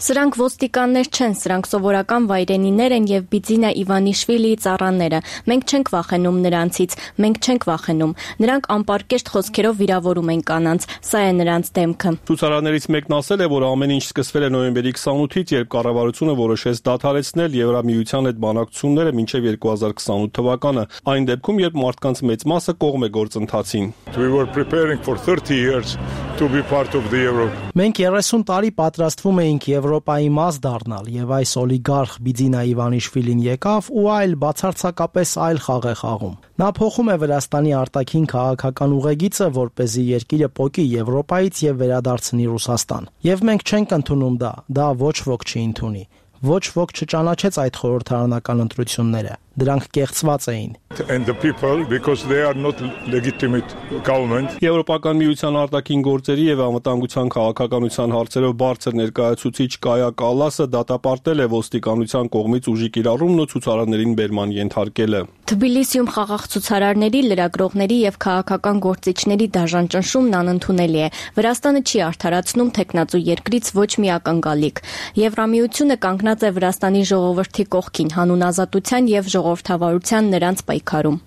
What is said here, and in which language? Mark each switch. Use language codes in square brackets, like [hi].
[hy] Սրանք ոստիկաններ չեն, սրանք սովորական վայրենիներ են եւ Բիդինա Իվանիշվիլիի ծառաները։ Մենք չենք վախենում նրանց, մենք չենք վախենում, նրանք անպարկեշտ խոսքերով վիրավորում են կանանց, սա է նրանց դեմքը։ Ցուցարարներից մեկն ասել է, որ ամեն ինչ սկսվել է նոյեմբերի 28-ից, երբ կառավարությունը որոշեց դադարեցնել Եվրամիության հետ բանակցությունները մինչև 2028 թվականը, այն դեպքում, երբ մարդկանց մեծ մասը կողմ է գործընթացին։ [en] We were preparing for 30 years to be part of the Europe. [hy] Մենք 30 տարի պատրաստվում էինք Եվրոպայի մաս դառնալ, եւ այս օլիգարխ Բիդինա Իվանիշվիլին եկավ ու այլ բացարձակապես այլ խաղ է խաղում։ Նա փոխում է Վրաստանի արտաքին քաղաքական ուղեգիծը, որպեսզի երկիրը փոքի Եվրոպայից եւ վերադարձնի Ռուսաստան։ Եվ մենք չենք ընդունում դա, դա ոչ ոք չի ընդունի։ Ոչ ոք չճանաչեց այդ խորհրդարանական ընտրությունները, դրանք կեղծված էին։ [en] And the people, because they are not legitimate government. [hy] Եվրոպական միության արտաքին գործերի եւ անվտանգության քաղաքականության հարցերով բարձր ներկայացուցիչ Կայա Կալասը դատապարտել է ոստիկանության կողմից ուժի կիրառումն ու ցուցարարներին բերման ենթարկելը։ Թբիլիսիում խաղաղ ցուցարարների, լրագրողների եւ քաղաքական գործիչների դաժան ճնշումն անընդունելի է։ Վրաստանը չի արդարացնում թեկնածու երկրից ոչ մի ակնկալիք։ Եվրամիությունը կանգնած է Վրաստանի ժողովրդի կողքին, հանուն ազատության եւ ժողովրդավարության նրանց պայքարում։